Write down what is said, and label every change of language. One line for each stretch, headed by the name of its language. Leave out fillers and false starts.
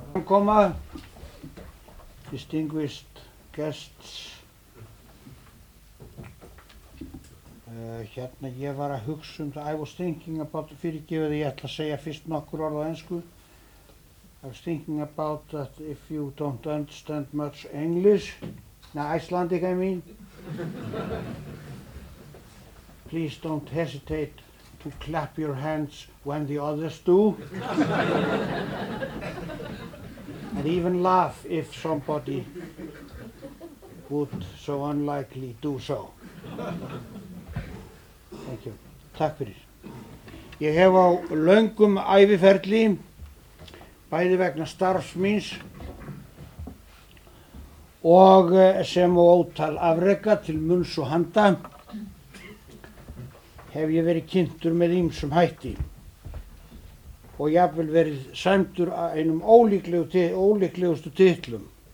English: Koma distinguished guests.
Icelandic: Hérna ég var að hugsa
English: I was thinking about,
Icelandic: fyrirgefiði, ég ætla að segja fyrst nokkur orð á ensku.
English: I was thinking about that if you don't understand much English, now Icelandic I mean, please don't hesitate to clap your hands when the others do. And even laugh if somebody would so unlikely do so. Thank you.
Icelandic: Takk fyrir. Ég hef á löngum æviferli bæði vegna starfs míns og sem og ótal afreka til munns og handa hef ég verið kynntur með ýmsum hætti og jafnvel verið sæmdur að einum ólíklegustu titlum.